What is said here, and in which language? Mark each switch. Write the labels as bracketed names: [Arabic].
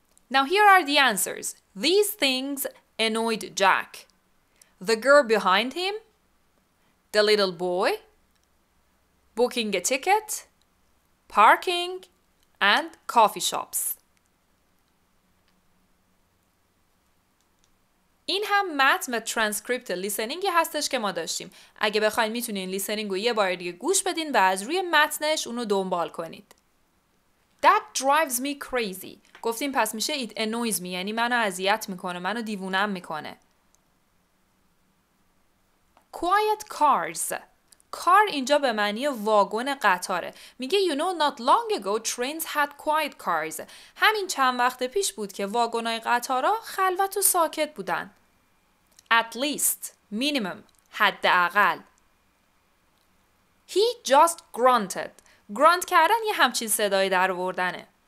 [English] Now here are the answers. These things annoyed Jack. The girl behind him, the little boy, booking a ticket, parking, and coffee shops. [Persian] این هم متن ترانسکریپت لیسنینگی هستش که ما داشتیم. اگه بخواید میتونین لیسنینگ رو یه بار دیگه گوش بدین و از روی متنش اونو دنبال کنید. [English] That drives me crazy. [Persian] گفتیم پس میشه [English] it annoys me، [Persian] یعنی منو اذیت میکنه، منو دیوونم میکنه. [English] Quiet cars. [Persian] Car اینجا به معنی واگن قطاره. میگه [English] you know not long ago trains had quiet cars. [Persian] همین چند وقت پیش بود که واگنای قطارا خلوت و ساکت بودن. [English] At least minimum حداقل. He just grunted. [Persian] Grunt کردن یه همچین صدای در آوردنه.